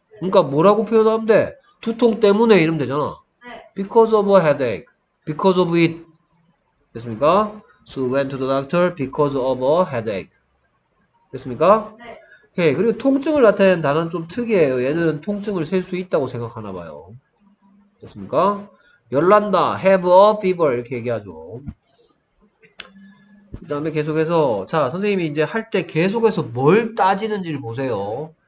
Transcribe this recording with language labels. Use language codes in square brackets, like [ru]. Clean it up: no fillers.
[ko] 그러니까 뭐라고 표현하면 돼? 두통 때문에 이러면 되잖아. [en] Because of a headache. Because of it. [ko] 됐습니까? [en] So went to the doctor because of a headache. [ko] 됐습니까? 오케이. 그리고 통증을 나타내는 단어는 좀 특이해요. 얘들은 통증을 셀수 있다고 생각하나 봐요. 됐습니까? 열난다. [en] Have a fever. [ko] 이렇게 얘기하죠. 그 다음에 계속해서, 자, 선생님이 이제 할때 계속해서 뭘 따지는지를 보세요.